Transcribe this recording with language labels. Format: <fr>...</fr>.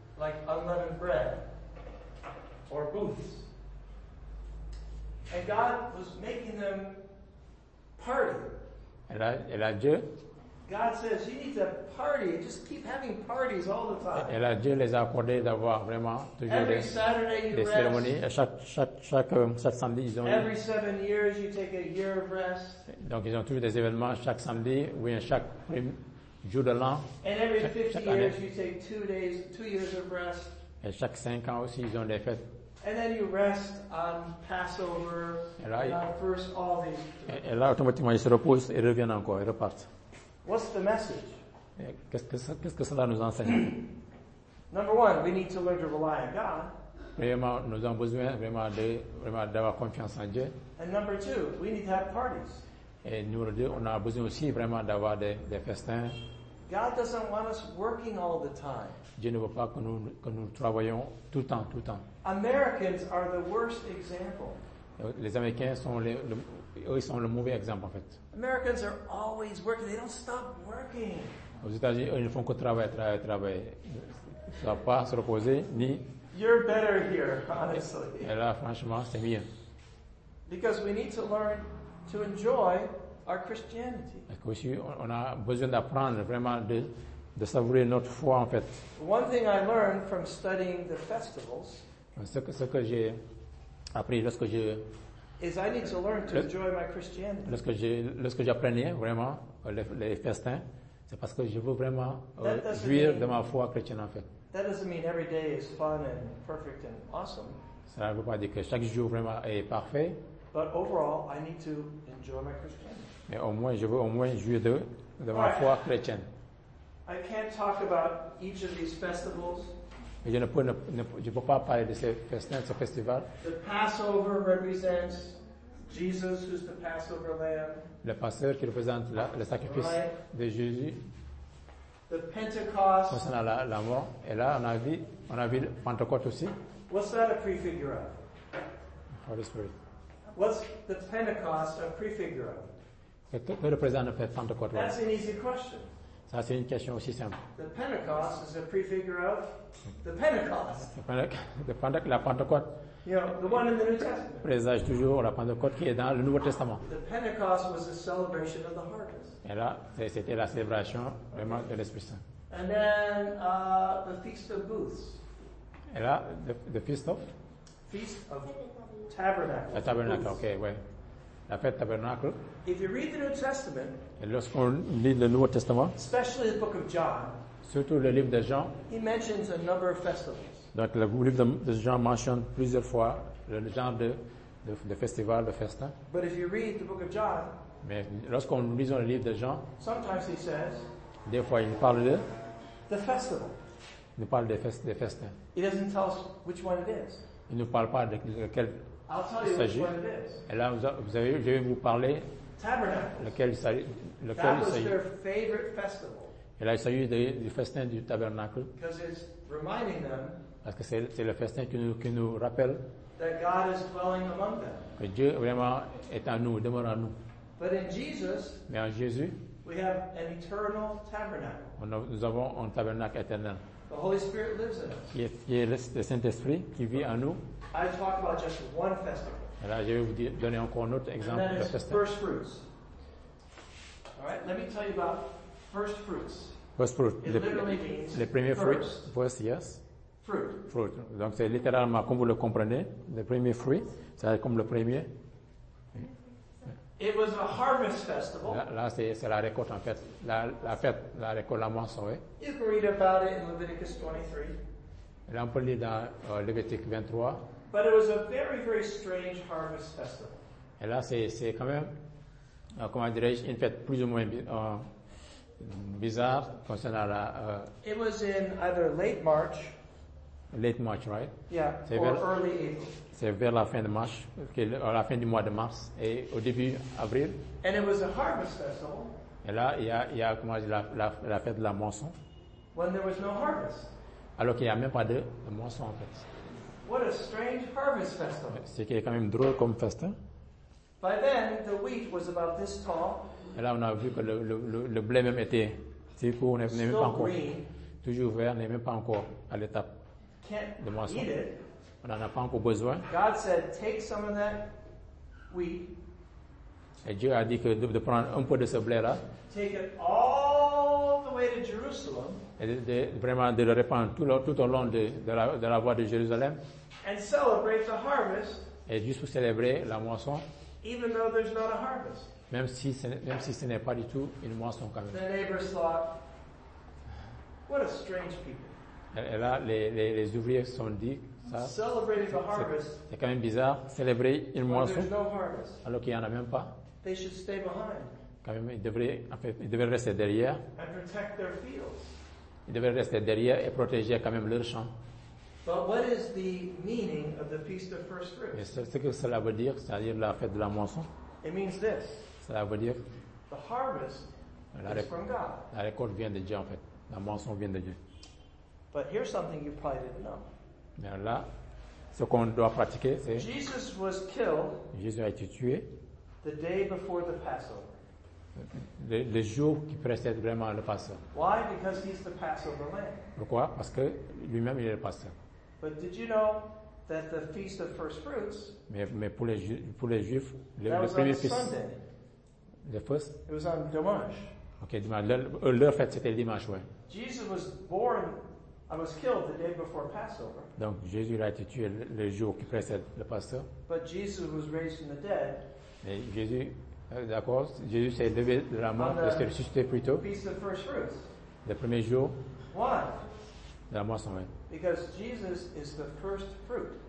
<en>Like unleavened bread or booths. And God was making them party.</en> <fr>Et là, Dieu.</fr> <en>God says you need to party. Just keep having parties all the time.</en> <fr>Et là, Dieu les a accordé d'avoir vraiment toujours</fr> <en>every</en> <fr>des cérémonies. Chaque samedi, ils ont.</fr> <en>Every 7 years, you take a year of rest.</en> <fr>Donc, ils ont toujours des événements chaque samedi ou bien chaque jour de l'an.</fr> <en>And every 50 years, you take 2 years of rest.</en> <fr>Et chaque 5 ans aussi, ils ont des fêtes.</fr> <en>And then you rest on Passover.</en> <fr>Et là,</fr> <en>first all these.</en> <fr>Et là, automatiquement, ils se reposent et reviennent encore. Ils repartent.</fr> <en>What's the message?</en> <fr>Qu'est-ce que cela nous enseigne?</fr> <en>Number one, we need to learn to rely on God.</en> <fr>Premièrement, nous avons besoin vraiment d'avoir confiance en Dieu.</fr> <en>And number two, we need to have parties.</en> <fr>Et numéro deux, on a besoin aussi vraiment d'avoir des festins.</fr> <en>God doesn't want us working all the time.</en> <fr>Dieu ne veut pas que nous travaillions tout le temps.</fr> <en>Americans are the worst example.</en> <fr>Les Américains sont le mauvais exemple, en fait.</fr> <en>Americans are always working. They don't stop working.</en> <fr>Aux États-Unis, ils ne font que travailler. Ils ne savent pas se reposer, ni...</fr> <en>You're better here, honestly.</en> <fr>Et là, franchement, c'est mieux.</fr> <en>Because we need to learn to enjoy our Christianity.</en> <fr>Parce qu'aussi, on a besoin d'apprendre vraiment de savourer notre foi, en fait.</fr> <en>One thing I learned from studying the festivals...</en> <fr>Ce que j'ai appris lorsque je...</fr> <en>Is I need to learn to enjoy my Christianity.</en> <fr>Lorsque j'apprenais vraiment les festins, c'est parce que je veux vraiment jouir de ma foi chrétienne, en fait.</fr> <en>That doesn't mean every day is fun and perfect and awesome.</en> <fr>Ça ne veut pas dire que chaque jour vraiment est parfait.</fr> <en>But overall, I need to enjoy my Christianity.</en> <fr>Mais au moins, je veux au moins jouir de ma foi chrétienne.</fr> <en>I can't talk about each of these festivals.</en> <fr>Je ne peux pas parler de ce festival.</fr> <en>The Passover represents Jesus, who's the Passover lamb.</en> <fr>Le Passeur qui représente le sacrifice de Jésus.</fr> <en>The Pentecost.</en> <fr>Concernant la mort. Et là, on a vu le Pentecôte aussi.</fr> <en>What's that a prefigure of? Holy Spirit. What's the Pentecost a prefigure of?</en> <fr>Que représente le Pentecôte?</fr> <en>That's an easy question.</en> <fr>Ça, c'est une question aussi simple.</fr> <en>The Pentecost is a prefigure of the Pentecost.</en> <fr>La Pentecôte.</fr> <en>You know, the one in the New Testament.</en> <fr>Présage toujours la Pentecôte qui est dans le Nouveau Testament.</fr> <en>The Pentecost was a celebration of the harvest.</en> <fr>Et là, c'était la célébration vraiment de l'Esprit Saint.</fr> <en>And then the Feast of Booths.</en> <fr>Et là,</fr> <en>the Feast of? Feast of Tabernacles. The Tabernacle, okay,</en> <fr>ouais. La fête tabernacle.</fr> <en>If you read the New Testament,</en> <fr>et lorsqu'on lit le Nouveau Testament,</fr> <en>especially the book of John,</en> <fr>surtout le livre de Jean,</fr> <en>he mentions a number of festivals.</en> <fr>Donc le livre de Jean mentionne plusieurs fois le genre de festival, de festin.</fr> <en>But if you read the book of John,</en> <fr>mais lorsqu'on lit le livre de Jean,</fr> <en>sometimes he says,</en> <fr>des fois il parle de</fr> <en>the festival.</en> <fr>Il parle des festins.</fr> <en>He doesn't tell us which one it is.</en> <fr>Il ne parle pas de lequel.</fr> <en>I'll tell you what it is.</en> <fr>Et là, je vais vous parler lequel il s'agit.</fr> <en>That was their favorite festival.</en> <fr>Et là, il s'agit du festin du tabernacle.</fr> <en>Because it's reminding them.</en> <fr>Parce que c'est le festin qui nous rappelle.</fr> <en>That God is dwelling among them.</en> <fr>Que Dieu vraiment est en nous, demeure en nous.</fr> <en>But in Jesus.</en> <fr>Mais en Jésus.</fr> <en>We have an eternal tabernacle.</en> <fr>Nous avons un tabernacle éternel.</fr> <en>The Holy Spirit lives in us.</en> <fr>Qui est le Saint-Esprit qui vit en nous.</fr> <en>I talk about just one festival.</en> <fr>Là, je vais vous donner encore un autre exemple de festin.</fr> <en>First fruits. All right, let me tell you about first fruits. First fruits. It literally means</en> <fr>les premiers</fr> <en>fruits. First, yes. Fruit. Fruit.</en> <fr>Donc c'est littéralement comme vous le comprenez, le premier fruit, c'est comme le premier.</fr> <en>It was a harvest festival.</en> <fr>Là c'est la récolte, en fait, la fête, la récolte, la moisson. Oui.</fr> <en>You can read about it in Leviticus 23.</en> <fr>Là, on peut lire dans Lévitique 23.</fr> <en>But it was a very, very strange harvest festival.</en> <fr>Et là, c'est quand même, comment dirais-je, une fête plus ou moins bizarre concernant la...</fr> <en>It was in either late March. Late March, right? Yeah, early April.</en> <fr>C'est vers la fin de mars, à la fin du mois de mars et au début avril.</fr> <en>And it was a harvest festival.</en> <fr>Et là, il y a comment dire, la fête de la moisson.</fr> <en>When there was no harvest.</en> <fr>Alors qu'il n'y a même pas de moisson, en fait.</fr> <en>What a strange harvest festival.</en> <fr>C'est quand même drôle comme festin.</fr> <en>By then, the wheat was about this tall.</en> <fr>Là, on a vu que le blé même était si court, n'est même pas encore. Toujours vert, n'est même pas encore à l'étape de moisson. On n'en a pas encore besoin.</fr> <en>God said, take some of that wheat.</en> <fr>Et Dieu a dit que de prendre un peu de ce blé-là.</fr> <en>Take it all the way to Jerusalem.</en> <fr>Et de vraiment de le répandre tout au long de la voie de Jérusalem.</fr> <en>And celebrate the harvest.</en> <fr>Et juste pour célébrer la moisson.</fr> <en>Even though there's not a harvest.</en> <fr>Même si ce n'est pas du tout une moisson quand même.</fr> <en>The neighbors thought, what a strange people.</en> <fr>Et là, les ouvriers se sont dit, ça,</fr> <en>celebrating the harvest,</en> <fr>c'est quand même bizarre, célébrer une moisson,</fr> <en>no harvest,</en> <fr>alors qu'il n'y en a même pas.</fr> <en>They should stay behind.</en> <fr>Quand même, ils devraient rester derrière.</fr> <en>And protect their fields.</en> <fr>Ils devraient rester derrière et protéger quand même leur champ.</fr> <en>But what is the meaning of the Feast of First Fruits?</en> <fr>Ce que cela veut dire, c'est-à-dire la fête de la moisson. It means this. Cela veut dire</fr> <en>the harvest is from God.</en> <fr>La récolte vient de Dieu, en fait. La moisson vient de Dieu.</fr> <en>But here's something you probably didn't know.</en> <fr>Mais là, ce qu'on doit pratiquer, c'est Jesus was killed. Jésus a été tué</fr> <en>the day before the Passover.</en> <fr>Le jour qui précède vraiment le Passover.</fr> <en>Why? Because he's the Passover lamb.</en> <fr>Pourquoi? Parce que lui-même, il est le Passover.</fr> <en>But did you know that the Feast of First Fruits,</en> <fr>mais pour les Juifs, le premier fils, le first,</fr> <en>it was on dimanche.</en> <fr>Ok, dimanche. Leur fête, c'était le dimanche, ouais.</fr> <en>Jesus was born, I was killed the day before Passover.</en> <fr>Donc, Jésus a été tué le jour qui précède le Passover. But Jesus was raised from the dead. Mais Jésus, d'accord, Jésus s'est levé de la mort, il s'est ressuscité plus tôt.</fr> <en>Feast of First Fruits.</en> <fr>Le premier jour.</fr> <en>Why?</en> <fr>De la moisson, ouais.</fr> <en>Because Jesus is the first fruit.</en>